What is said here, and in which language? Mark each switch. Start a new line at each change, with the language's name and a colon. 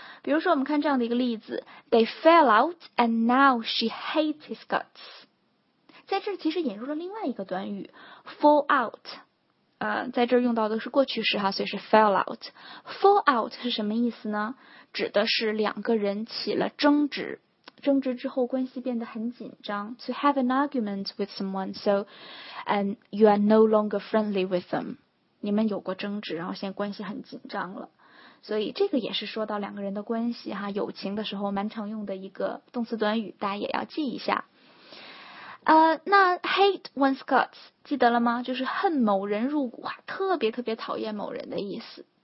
Chinese: 比如说我们看这样的一个例子
English: They fell out and now she hates his guts.
Chinese: 在这其实引入了另外一个短语 Fall out, 在这用到的是过去式哈，所以是 fell out. Fall out 是什么意思呢？指的是两个人起了争执，争执之后关系变得很紧张。
English: To have an argument with someone, so and you are no longer friendly with them.
Chinese: 你们有过争执，然后现在关系很紧张了。所以这个也是说到两个人的关系哈，友情的时候蛮常用的一个动词短语，大家也要记一下。那 hate one's guts 记得了吗？就是恨某人入骨，特别特别讨厌某人的意思。